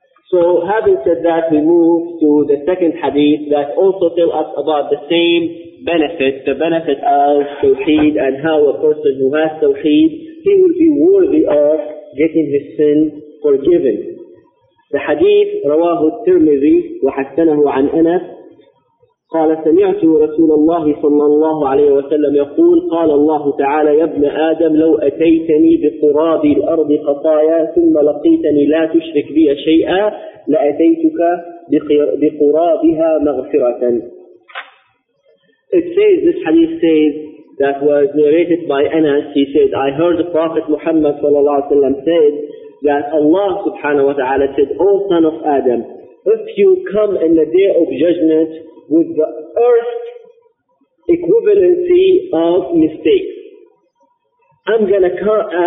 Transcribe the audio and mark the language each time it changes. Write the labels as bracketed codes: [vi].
[en] So having said that, we move to the second hadith that also tells us about the same benefit, the benefit of tawheed, and how a person who has tawheed, he will be worthy of getting his sin forgiven. [ar] The hadith, رواه الترمذي وحسنه عن أنس قال سمعت رسول الله صلى الله عليه وسلم يقول قال الله تعالى يا ابن آدم لو أتيتني بقراب الأرض خطايا ثم لقيتني لا تشرك بي شيئا لأتيتك بقرابها مغفرة. [en] It says, this hadith says, that was narrated by Anas, he said, I heard the Prophet Muhammad [ar] صلى الله عليه وسلم [en] said that Allah subhanahu wa ta'ala said, O son of Adam, if you come in the day of judgment with the earth equivalency of mistakes, I'm gonna come,